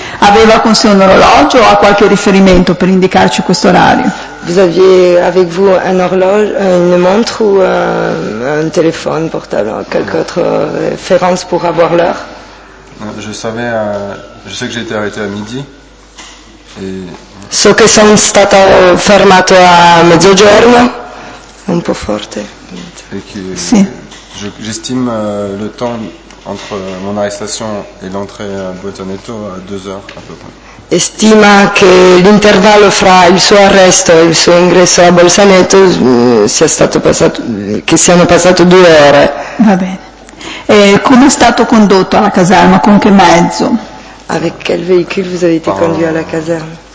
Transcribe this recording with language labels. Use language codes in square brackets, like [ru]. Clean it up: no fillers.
[it] Aveva con sé un orologio o ha qualche riferimento per indicarci questo orario? [fr] Vous aviez avec vous un horloge, une montre ou un téléphone portable, quelque autre référence pour avoir l'heure? Je sais que j'ai été arrêté à midi. Et... [it] So che sono stato fermato a mezzogiorno. Un po' forte. Sì. [fr] J'estime le temps entre mon arrestation et l'entrée à Bolzaneto à 2 heures à peu près. [it] Estima che l'intervallo fra il suo arresto e il suo ingresso a Bolzaneto sia stato passato, che siano passate 2 ore. Va bene. E come è stato condotto alla caserma? Con che mezzo? [fr] Avec quel véhicule vous avez été conduit à la caserne?